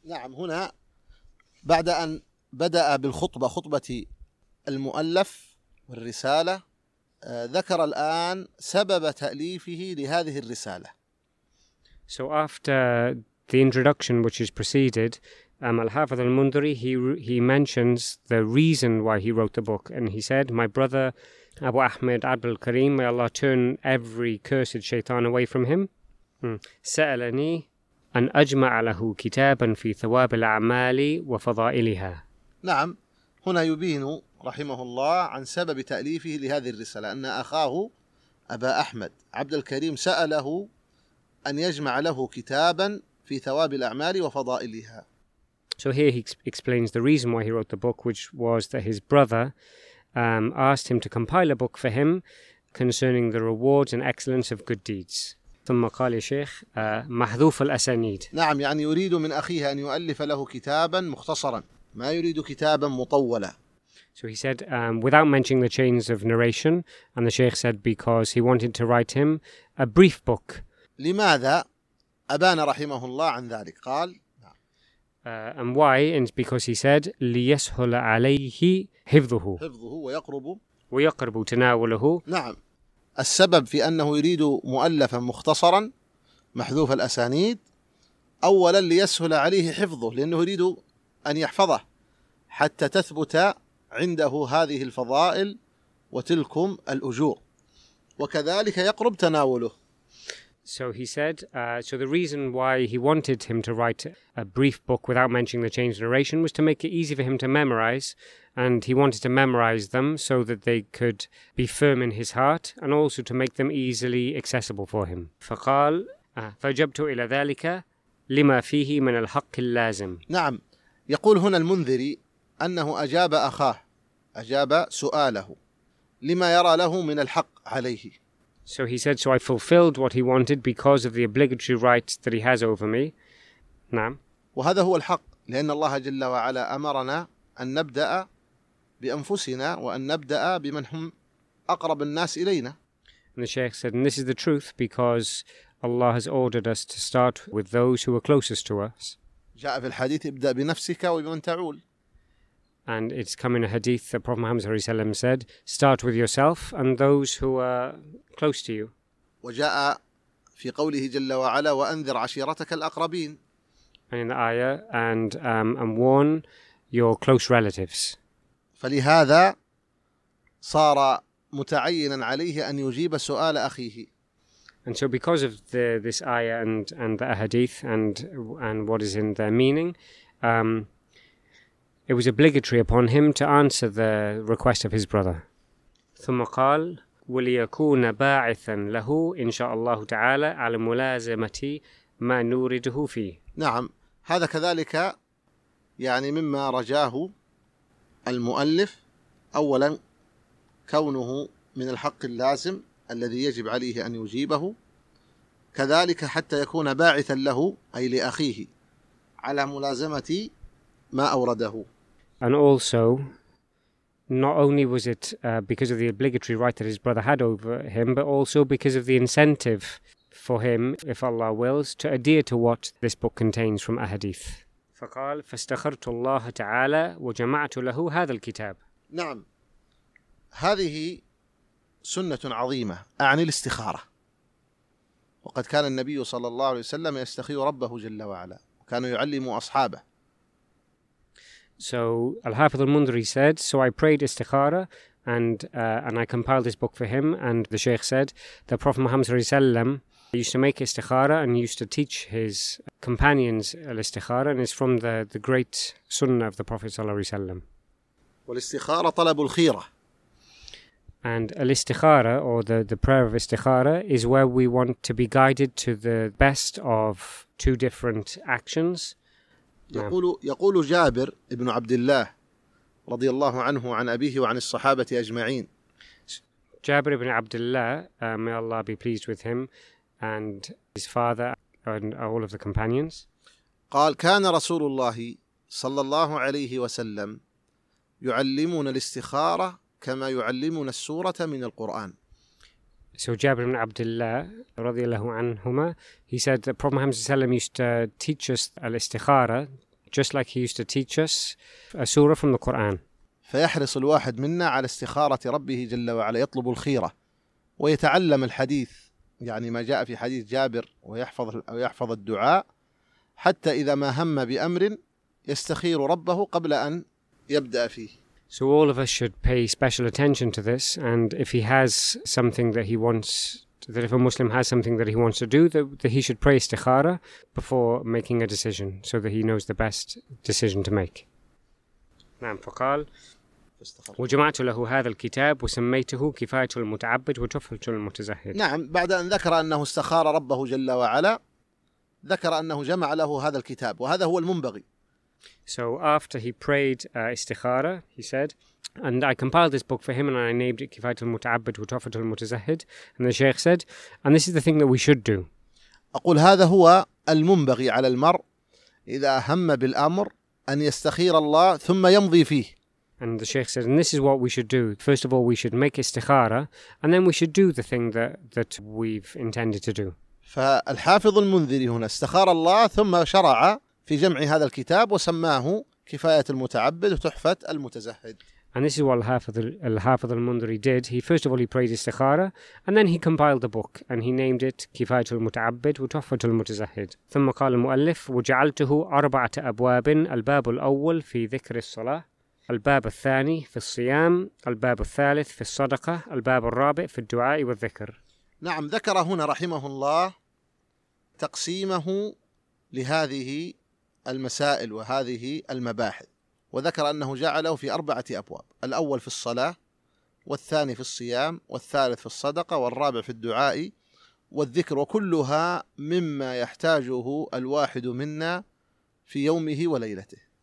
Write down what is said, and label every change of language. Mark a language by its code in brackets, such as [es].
[ar] نعم, هنا بعد ان بدا بالخطبه, خطبه المؤلف والرساله, ذكر الآن سبب تأليفه لهذه الرسالة. [en] So after the introduction which is preceded, Al-Hafidh Al-Mundhiri, he mentions the reason why he wrote the book, and he said, my brother Abu Ahmed Abdul Karim, may Allah turn every cursed shaitan away from him. [ar] سألني أن أجمع له كتابا في ثواب الأعمال وفضائلها. نعم, هنا يبين رحمه الله عن سبب تأليفه لهذه الرسالة, أن أخاه أبا أحمد عبد الكريم سأله أن يجمع له كتابا في ثواب الأعمال وفضائلها. [en] So here he explains the reason why he wrote the book, which was that his brother asked him to compile a book for him concerning the rewards and excellence of good deeds. [ar] ثم قال الشيخ محذوف الأسانيد. نعم, يعني يريد من أخيه أن يؤلف له كتابا مختصرا, ما يريد كتابا مطولا. [en] So he said, without mentioning the chains of narration, and the Sheikh said because he wanted to write him a brief book. [ar] لماذا أبان رحمه الله عن ذلك؟ قال. [en] And why? And because he said [ar] ليسهل عليه حفظه. حفظه ويقرب. ويقرب تناوله. نعم. السبب في أنه يريد مؤلفا مختصرا محذوف الأسانيد, أولا ليسهل عليه حفظه, لأنه يريد أن يحفظه حتى تثبت عنده هذه الفضائل وتلكم الأجور, وكذلك يقرب تناوله. [en] So he said, so the reason why he wanted him to write a brief book without mentioning the chains of narration was to make it easy for him to memorize, and he wanted to memorize them so that they could be firm in his heart, and also to make them easily accessible for him. [ar] فقال فجبت إلى ذلك لما فيه من الحق اللازم. نعم, يقول هنا المنذري أنه أجاب أخاه, أجاب سؤاله لما يرى له من الحق عليه. [en] So he said, so I fulfilled what he wanted because of the obligatory rights that he has over me. [ar] نعم. وهذا هو الحق, لأن الله جل وعلا أمرنا أن نبدأ بأنفسنا وأن نبدأ بمن هم أقرب الناس إلينا. [en] And the Sheikh said, and this is the truth because Allah has ordered us to start with those who are closest to us. [ar] جاء في الحديث ابدأ بنفسك وبمن تعول. [en] And it's come in a hadith that Prophet Muhammad sallallahu alaihi wasallam said, start with yourself and those who are close to you. [ar] وجاء في قوله جل وعلا وأنذر عشيرتك الأقربين. [en] And in the ayah, and warn your close relatives. [ar] فلهذا صار متعينا عليه أن يجيب سؤال أخيه. [en] And so because of this ayah and the hadith and what is in their meaning, it was obligatory upon him to answer the request of his brother. [ar] ثم قال وليكون باعثا له إن شاء الله تعالى على ملازمة ما نورده فيه. نعم, هذا كذلك يعني مما رجاه المؤلف أولا كونه من الحق اللازم الذي يجب عليه أن يجيبه، كذلك حتى يكون باعثا له أي لأخيه على ملازمة ما أورده. [en] And also, not only was it because of the obligatory right that his brother had over him, but also because of the incentive for him, if Allah wills, to adhere to what this book contains from ahadith. [ar] فقال فاستخرت الله تعالى وجمعت له هذا الكتاب. نعم، هذه سنة عظيمة، أعني الاستخارة. وقد كان النبي صلى الله عليه وسلم يستخير ربه جل وعلا، وكان يعلم أصحابه. [en] So Al-Hafidh Al-Mundri said, so I prayed istikhara and I compiled this book for him. And the Shaykh said, the Prophet Muhammad sallallahu alayhi wa sallam used to make istikhara and used to teach his companions al-istikhara, and it's from the great sunnah of the Prophet sallallahu alayhi wa sallam. [ar] Wal-istikhara talabu al-khira. [en] And al-istikhara, or the prayer of istikhara, is where we want to be guided to the best of two different actions. [ar] يقول جابر ابن عبد الله رضي الله عنه عن أبيه وعن الصحابة أجمعين. [en] جابر ابن عبد الله may Allah be pleased with him and his father and all of the companions. [ar] قال كان رسول الله صلى الله عليه وسلم يعلمنا الاستخارة كما يعلمنا السورة من القرآن. [en] So Jabir ibn Abdullah, radiallahu anhuma, he said that Prophet Muhammad sallallahu alayhi wa sallam used to teach us al-istikhara just like he used to teach us a surah from the Quran. [ar] فيحرص الواحد منا على استخارة ربه جل وعلا، يطلب الخيرة ويتعلم الحديث، يعني ما جاء في حديث جابر، ويحفظ الدعاء حتى إذا ما هم بأمر يستخير ربه قبل أن يبدأ فيه. [en] So all of us should pay special attention to this, and if he has something that he wants, that if a Muslim has something that he wants to do, that he should pray istikhara before making a decision, so that he knows the best decision to make. [ar] نعم فقال وجمعت له هذا الكتاب وسميته كفاية المتعبد وتفلت المتزهد. نعم، بعد أن ذكر أنه استخار ربه جل وعلا ذكر أنه جمع له هذا الكتاب، وهذا هو المنبغي. [en] So after he prayed istikhara, he said, and I compiled this book for him and I named it Kifayat al-Muta'abbid wa Tawfat al-Mutazahid. And the Shaykh said, and this is the thing that we should do. [ar] أقول هذا هو المنبغي على المرء إذا أهم بالأمر أن يستخير الله ثم يمضي فيه. [en] And the Shaykh said, and this is what we should do. First of all, we should make istikhara and then we should do the thing that we've intended to do. [ar] فالحافظ المنذري هنا استخار الله ثم شرع في جمع هذا الكتاب وسماه كفاية المتعبد وتحفة المتزهد. [en] And this is what Al-Hafidh Al-Mundri did. He first of all he prayed istikhara and then he compiled the book and he named it كفاية المتعبد وتحفة المتزهد. [ar] ثم قال المؤلف وجعلته أربعة أبواب، الباب الأول في ذكر الصلاة، الباب الثاني في الصيام، الباب الثالث في الصدقة، الباب الرابع في الدعاء والذكر. نعم، ذكر هنا رحمه الله تقسيمه لهذه المسائل وهذه المباحث، وذكر أنه جعله في أربعة أبواب: الأول في الصلاة، والثاني في الصيام، والثالث في الصدقة، والرابع في الدعاء والذكر، وكلها مما يحتاجه الواحد منا في يومه وليلته.